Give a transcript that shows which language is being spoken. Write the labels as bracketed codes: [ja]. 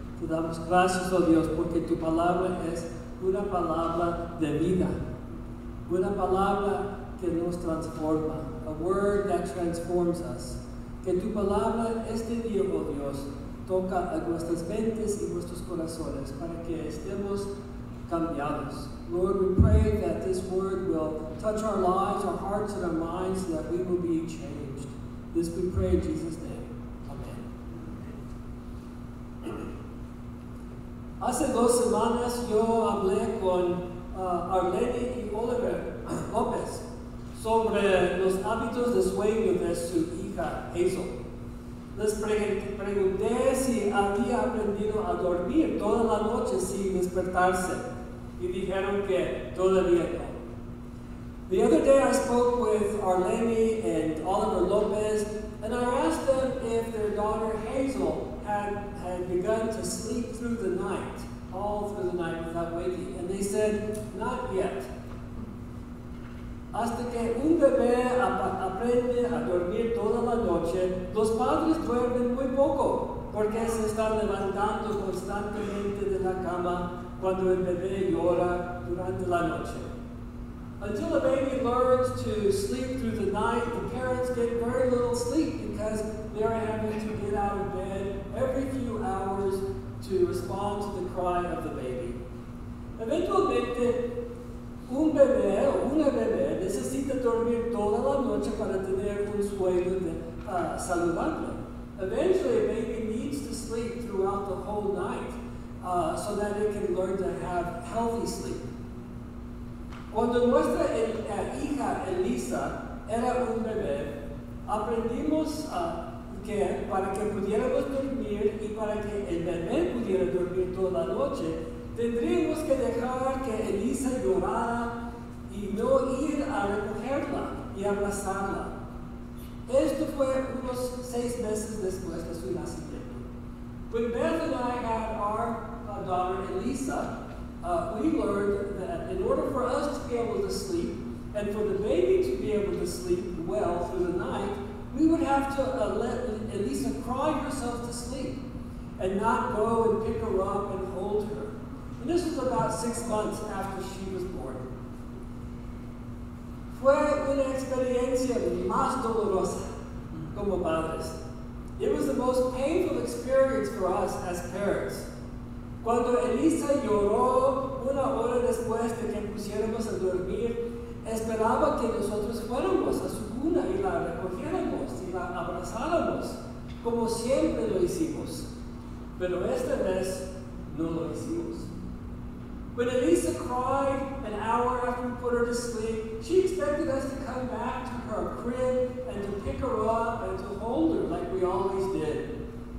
[es] Te damos gracias, oh Dios, porque tu palabra es una palabra de vida. Una palabra que nos transforma. [en] A word that transforms us. [es] Que tu palabra este día, oh Dios, toca a nuestras mentes y nuestros corazones para que estemos cambiados. [en] Lord, we pray that this word will touch our lives, our hearts, and our minds, so that we will be changed. This we pray in Jesus' name. Amen. [es] Hace dos semanas yo hablé con Arlene y Oliver López sobre los hábitos de sueño de su hija Hazel. Les pregunté si había aprendido a dormir toda la noche sin despertarse y dijeron que todavía no. [en] The other day I spoke with Arlene and Oliver López and I asked them if their daughter Hazel had begun to sleep through the night, all through the night without waking, and they said, not yet. [es] Hasta que un bebé aprende a dormir toda la noche, los padres duermen muy poco, porque se están levantando constantemente de la cama cuando el bebé llora durante la noche. [en] Until a baby learns to sleep through the night, the parents get very little sleep because they're having to get out of bed every few hours to respond to the cry of the baby. [es] Eventualmente, un bebé o una bebé necesita dormir toda la noche para tener un sueño saludable. [en] Eventually, a baby needs to sleep throughout the whole night so that it can learn to have healthy sleep. [es] Cuando nuestra hija Elisa era un bebé, aprendimos que para que pudiéramos dormir y para que el bebé pudiera dormir toda la noche, tendríamos que dejar que Elisa llorara y no ir a recogerla y abrazarla. Esto fue unos seis meses después de su nacimiento. [en] When Beth and I had our daughter Elisa, we learned that in order for us to be able to sleep and for the baby to be able to sleep well through the night, we would have to let Elisa cry herself to sleep and not go and pick her up and hold her. And this was about 6 months after she was born. [es] Fue una experiencia más dolorosa como padres. [en] It was the most painful experience for us as parents. [es] Cuando Elisa lloró una hora después de que pusiéramos a dormir, esperaba que nosotros fuéramos a su cuna y la recogiéramos y la abrazáramos, como siempre lo hicimos. Pero esta vez no lo hicimos. [en] When Elisa cried an hour after we put her to sleep, she expected us to come back to her crib and to pick her up and to hold her like we always did.